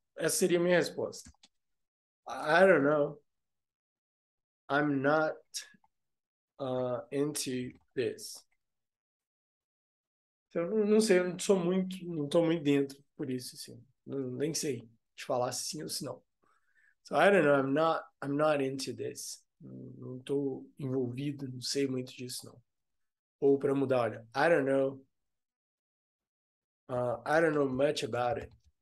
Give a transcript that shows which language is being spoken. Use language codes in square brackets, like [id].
[pt] Essa seria a minha resposta. [en] I don't know. I'm not into this. [pt] Então, não sei, eu não sou muito, não estou muito dentro por isso, assim. Nem sei te falar se sim ou se não. [en] So, I don't know, I'm not into this. [pt] Não estou envolvido, não sei muito disso, não. Ou para mudar, olha, [en] I don't know. I don't know much about it.